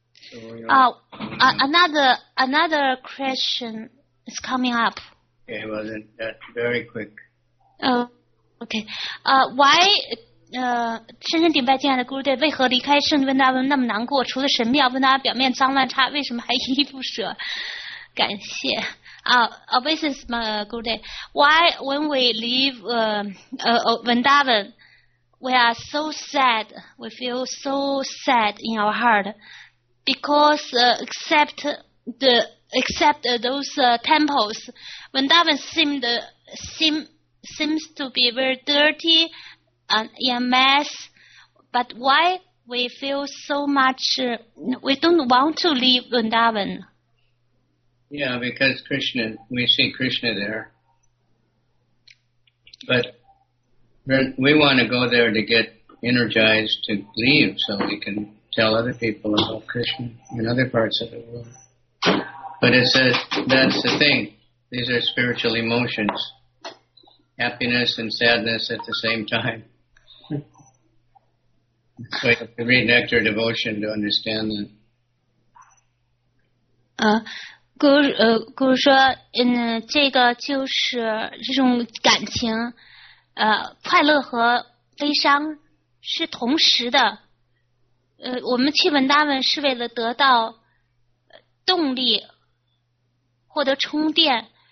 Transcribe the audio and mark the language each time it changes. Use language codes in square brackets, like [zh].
[en] Another question is coming up. Okay, well, that's very quick. Oh. Okay, why? [zh] 深深顶拜亲爱的 Guru Dev， 为何离开圣地温达文那么难过？除了神庙，温达表面脏乱差，为什么还依依不舍？感谢啊。 [en] This is my Guru Dev. Why when we leave Vrindavan, we are so sad. We feel so sad in our heart because except those temples, Vrindavan seems to be very dirty. EMS, but why we feel so much, we don't want to leave Vrindavan? Yeah, because Krishna, we see Krishna there. But we want to go there to get energized to leave so we can tell other people about Krishna in other parts of the world. But it says, that's the thing, these are spiritual emotions, happiness and sadness at the same time. So you have to read Nectar Devotion to understand that. [zh] Guru 说，嗯，这个就是这种感情，快乐和悲伤是同时的。我们去文达文是为了得到动力，获得充电。